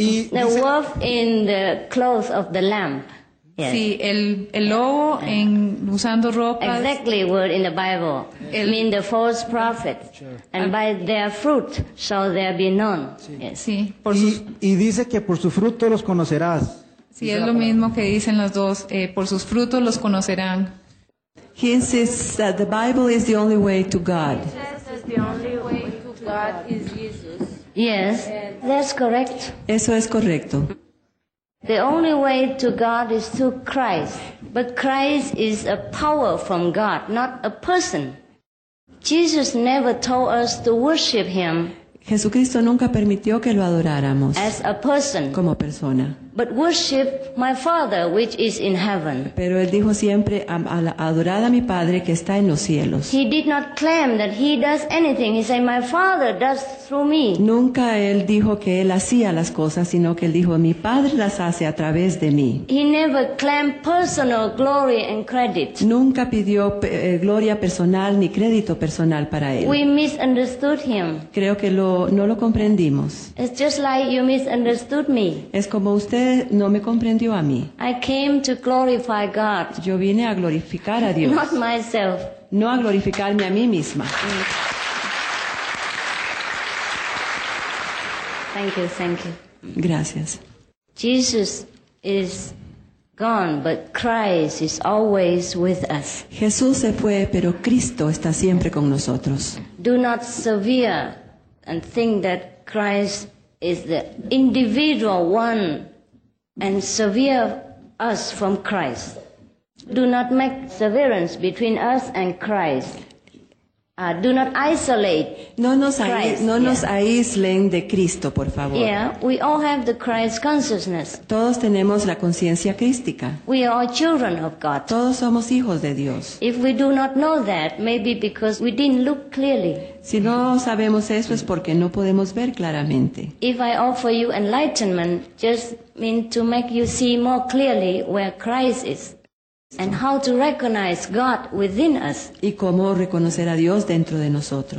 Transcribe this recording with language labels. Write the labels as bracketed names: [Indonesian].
[Spanish] Y [English] the wolf in the clothes of the lamb. Yes. [Spanish] Sí, el lobo en usando ropas. [English] Exactly, word in the Bible. Yes. I mean the false prophet. Sure. And by their fruit shall there be known. [Spanish] Sí. [English] Yes. [Spanish] Sí. Y dice que por su fruto los conocerás. Sí, es lo mismo que dicen las dos. Por sus frutos los conocerán. [English] He insists that the Bible is the only way to God. He says that the only way to God is Jesus. Yes, that's correct. [Spanish] Eso es correcto. [English] The only way to God is through Christ. But Christ is a power from God, not a person. Jesus never told us to worship him. [Spanish] Jesucristo nunca permitió que lo adoráramos. [English] As a person. [Spanish] Como persona. [English] But worship my Father, which is in heaven. [Spanish] Pero él dijo siempre, adorad a mi Padre que está en los cielos. [English] He did not claim that he does anything. He said, my Father does through me. [Spanish] Nunca él dijo que él hacía las cosas, sino que él dijo, mi Padre las hace a través de mí. [English] He never claimed personal glory and credit. [Spanish] Nunca pidió gloria personal ni crédito personal para él. [English] We misunderstood him. [Spanish] Creo que no lo comprendimos. [English] It's just like you misunderstood me. [Spanish] Es como usted. Usted no me comprendió a mí. [English] I came to glorify God. [Spanish] Yo vine a glorificar a Dios. [English] Not myself. [Spanish] No a glorificarme a mí misma. [English] Thank you. [Spanish] Gracias. [English] Jesus is gone, but Christ is always with us. [Spanish] Jesús se fue, pero Cristo está siempre con nosotros. [English] Do not severe and think that Christ is the individual one. And sever us from Christ. Do not make severance between us and Christ. Do not isolate. [Spanish] No nos aíslen de Cristo, por favor. [English] Yeah, we all have the Christ consciousness. [Spanish] Todos tenemos la conciencia crística. [English] We are children of God. [Spanish] Todos somos hijos de Dios. [English] If we do not know that, maybe because we didn't look clearly. [Spanish] Si no sabemos eso es porque no podemos ver claramente. [English] If I offer you enlightenment, just mean to make you see more clearly where Christ is. And how to recognize God within us. [Spanish] Y cómo reconocer a Dios dentro de nosotros.